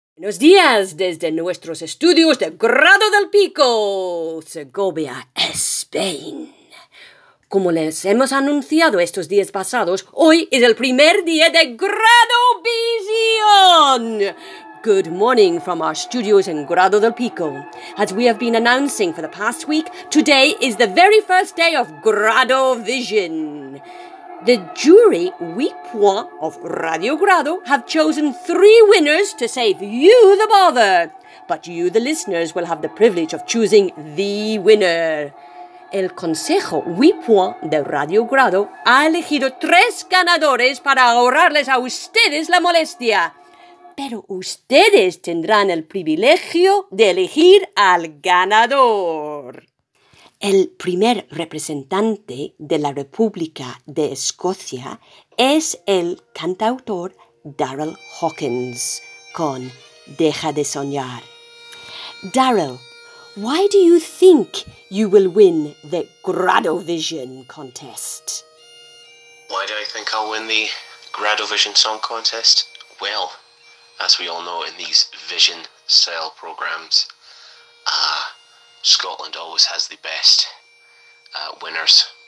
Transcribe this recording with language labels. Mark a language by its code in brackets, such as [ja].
[es] Buenos días desde nuestros estudios de Grado del Pico, Segovia, Spain. Como les hemos anunciado estos días pasados, hoy es el primer día de Grado Vision. [en] Good morning from our studios in Grado del Pico. As we have been announcing for the past week, today is the very first day of Grado Vision. The jury, Oui Point of Radio Grado, have chosen three winners to save you the bother. But you, the listeners, will have the privilege of choosing the winner. [es] El Consejo Oui Point de Radio Grado ha elegido tres ganadores para ahorrarles a ustedes la molestia. Pero ustedes tendrán el privilegio de elegir al ganador. El primer representante de la República de Escocia es el cantautor Darrell Hawkins con Deja de Soñar. [en] Darrell, why do you think you will win the Grado Vision contest? Why do I think I'll win the Grado Vision song contest? Well, as we all know in these vision style programs, Scotland always has the best winners.